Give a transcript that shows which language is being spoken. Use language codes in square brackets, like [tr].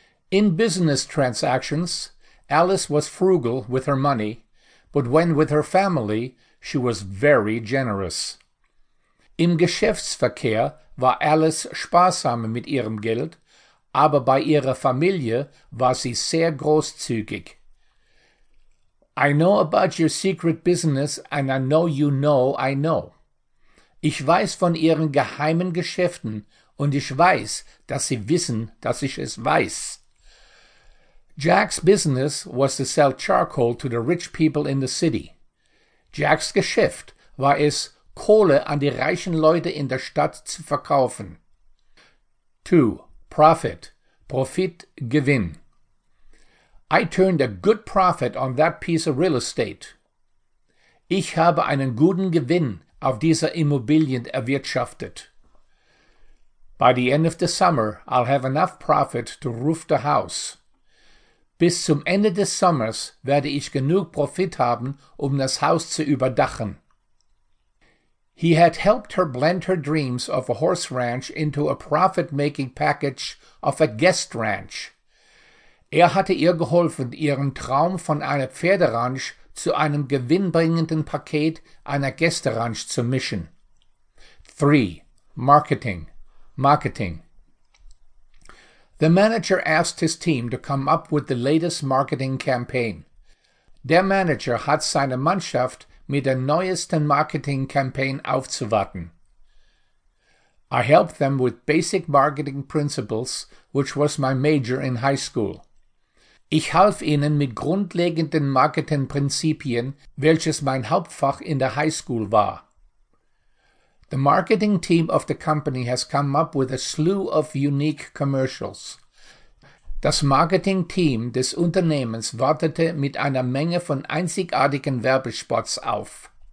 [en] In business transactions, Alice was frugal with her money, but when with her family, she was very generous. [de] Im Geschäftsverkehr war Alice sparsam mit ihrem Geld, aber bei ihrer Familie war sie sehr großzügig. [en] I know about your secret business and I know you know I know. [de] Ich weiß von ihren geheimen Geschäften und ich weiß, dass sie wissen, dass ich es weiß. [en] Jack's business was to sell charcoal to the rich people in the city. [de] Jack's Geschäft war es, Kohle an die reichen Leute in der Stadt zu verkaufen. [en] 2. Profit. Profit, Gewinn. I turned a good profit on that piece of real estate. [de] Ich habe einen guten Gewinn auf dieser Immobilie erwirtschaftet. [en] By the end of the summer, I'll have enough profit to roof the house. [de] Bis zum Ende des Sommers werde ich genug Profit haben, um das Haus zu überdachen. [en] He had helped her blend her dreams of a horse ranch into a profit-making package of a guest ranch. [de] Er hatte ihr geholfen, ihren Traum von einer Pferderanch zu einem gewinnbringenden Paket einer Gästeranch zu mischen. [en] 3. Marketing. Marketing. The manager asked his team to come up with the latest marketing campaign. [de] Der Manager hat seine Mannschaft mit der neuesten Marketing-Campaign aufzuwarten. [en] I helped them with basic marketing principles, which was my major in high school. [de] Ich half ihnen mit grundlegenden Marketingprinzipien, welches mein Hauptfach in der High School war. [en] The marketing team of the company has come up with a slew of unique commercials. [de] Das Marketingteam des Unternehmens wartete mit einer Menge von einzigartigen Werbespots auf.